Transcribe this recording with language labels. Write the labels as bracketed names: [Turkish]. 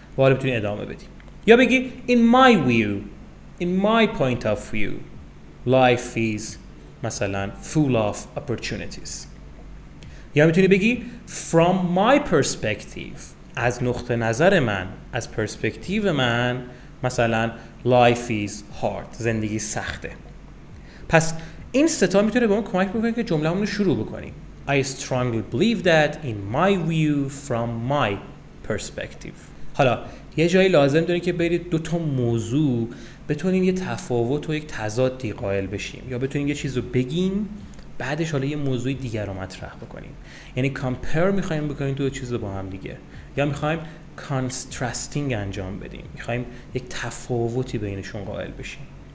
[Persian] و حالا میتونی ادامه بدی. یا بگی [English] in my view، in my point of view، life is مثلا full of opportunities. [Persian] یا میتونی بگی [English] from my perspective، [Persian] از نقطه نظر من، از پرسپکتیو من، مثلا [English] life is hard، [Persian] زندگی سخته. پس این ستا میتونه به ما کمک بکنه که جمله همونو شروع بکنیم. [English] I strongly believe that in my view from my perspective. [Persian] حالا یه جایی لازم داری که برید دوتا موضوع بتونیم یه تفاوت و یک تضادی قائل بشیم، یا بتونیم یه چیزو بگیم بعدش حالا یه موضوع دیگر رو مطرح بکنیم. یعنی compare میخواییم بکنیم دو چیز با هم دیگه، یا میخواییم contrasting انجام بدیم، میخواییم یک تفاوتی بینشون قائل بشیم.